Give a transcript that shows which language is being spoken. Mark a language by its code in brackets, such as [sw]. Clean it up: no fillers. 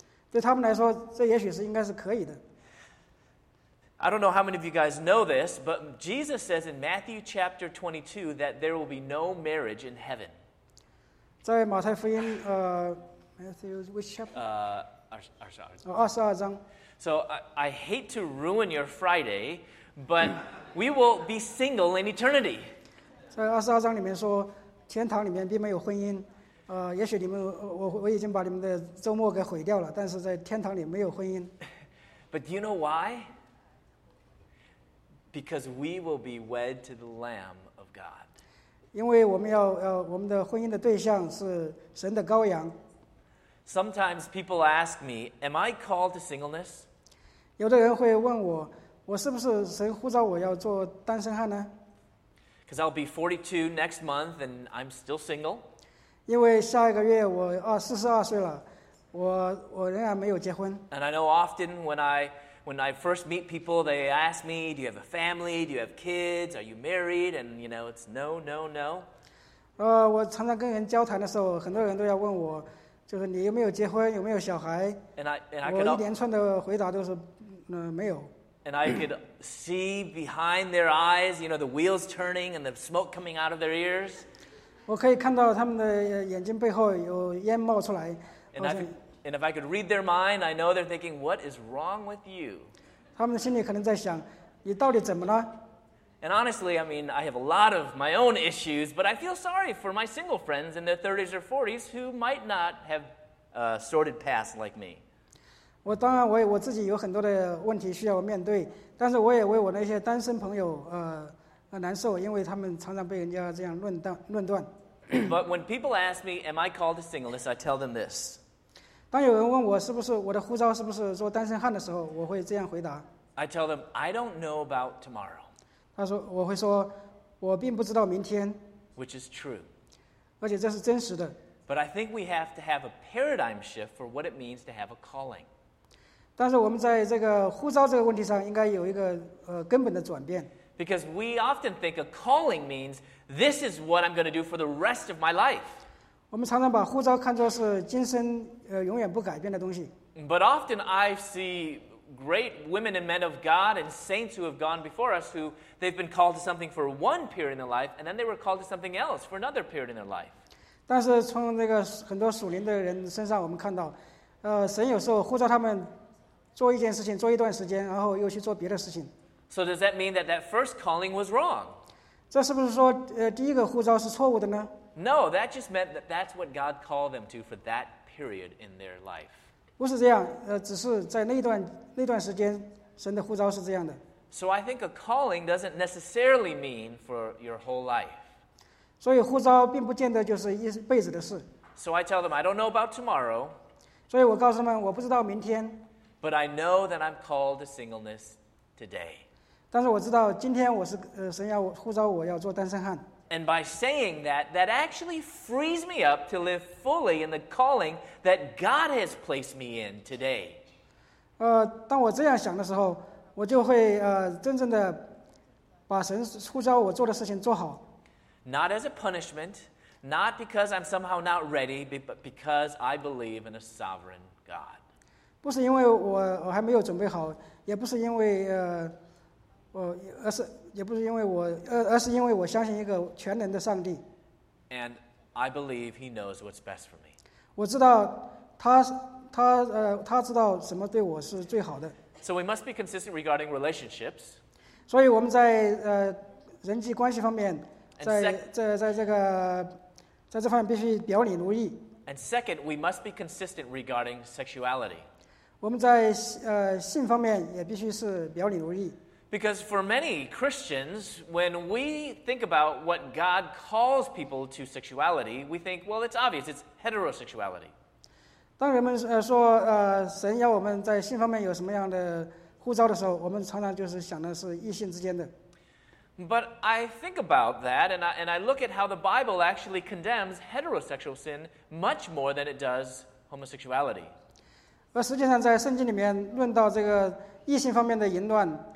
[zh] 对他们来说，这也许是应该是可以的。 [en] I don't know how many of you guys know this, but Jesus says in Matthew chapter 22 that there will be no marriage in heaven. [zh] 在马太福音 [en] Matthew, which chapter? [zh] 22章。 [en] So I hate to ruin your Friday, but we will be single in eternity. [zh] 在22章里面说，天堂里面并没有婚姻。也许你们我已经把你们的周末给毁掉了，但是在天堂里没有婚姻。 [en] But do you know why? Because we will be wed to the Lamb of God. [zh] 因为我们要我们的婚姻的对象是神的羔羊。 [en] Sometimes people ask me, "Am I called to singleness?" [zh] 有的人会问我，我是不是神呼召我要做单身汉呢？ [en] Because I'll be 42 next month and I'm still single. [zh] 因为下一个月我42岁了，我仍然没有结婚。 [en] And I know often when I first meet people, they ask me, do you have a family? Do you have kids? Are you married? And you know, it's no, no, no. [zh] 我常常跟人交谈的时候，很多人都要问我，就是你有没有结婚，有没有小孩？ [en] And I [zh] 我一连串的回答都是，没有。 [en] And I could see behind their eyes, you know, the wheels turning and the smoke coming out of their ears. [zh] 我可以看到他们的眼睛背后有烟冒出来。 [en] And if I could read their mind, I know they're thinking, "What is wrong with you?" [zh] 他们的心里可能在想，你到底怎么了？ [en] And honestly, I mean, I have a lot of my own issues, but I feel sorry for my single friends in their 30s or 40s who might not have a sorted past like me. [zh] 我当然我自己有很多的问题需要面对，但是我也为我那些单身朋友难受，因为他们常常被人家这样论断。 [en] But when people ask me, "Am I called to singleness?" I tell them this. [zh] 当有人问我是不是我的护照是不是做单身汉的时候，我会这样回答。 [en] I tell them, "I don't know about tomorrow." [zh] 他说，我会说，我并不知道明天。 [en] Which is true. [zh] 而且这是真实的。 [en] But I think we have to have a paradigm shift for what it means to have a calling. [zh] 但是我们在这个呼召这个问题上应该有一个根本的转变。 [en] Because we often think a calling means this is what I'm going to do for the rest of my life. [zh] 我们常常把呼召看作是今生永远不改变的东西。 [en] But often I see great women and men of God and saints who have gone before us who they've been called to something for one period in their life and then they were called to something else for another period in their life. [zh] 但是从那个很多属灵的人身上我们看到神有时候呼召他们做一件事情做一段时间然后又去做别的事情。 [en] So does that mean that first calling was wrong? [zh] 这是不是说第一个呼召是错误的呢？ [en] No, that just meant that that's what God called them to for that period in their life. [zh] 不是这样，只是在那段时间，神的呼召是这样的。 [en] So I think a calling doesn't necessarily mean for your whole life. [zh] 所以呼召并不见得就是一辈子的事。 [en] So I tell them, I don't know about tomorrow. [zh] 所以我告诉他们，我不知道明天。 [en] But I know that I'm called to singleness today. [zh] 但是我知道今天我是神要呼召我要做单身汉。 [en] And by saying that, that actually frees me up to live fully in the calling that God has placed me in today. [zh] 当我这样想的时候，我就会真正的把神呼召我做的事情做好。 [en] Not as a punishment, not because I'm somehow not ready, but because I believe in a sovereign God. [zh] 不是因为我还没有准备好，也不是因为而是因为我相信一个全能的上帝。 [en] And I believe he knows what's best for me. [zh] 我知道他知道什么对我是最好的。 [en] So we must be consistent regarding relationships. [zh] 所以我们在人际关系方面，在这方面必须表里如一。 [en] And second, we must be consistent regarding sexuality. [zh] 我们在性方面也必须是表里如一。 [en] Because for many Christians, when we think about what God calls people to sexuality, we think, well, it's obvious, it's heterosexuality. [zh] 当人们说神要我们在性方面有什么样的呼召的时候，我们常常就是想的是异性之间的。 [en] But I think about that, and I look at how the Bible actually condemns heterosexual sin much more than it does homosexuality. [zh] 而实际上在圣经里面论到这个异性方面的淫乱。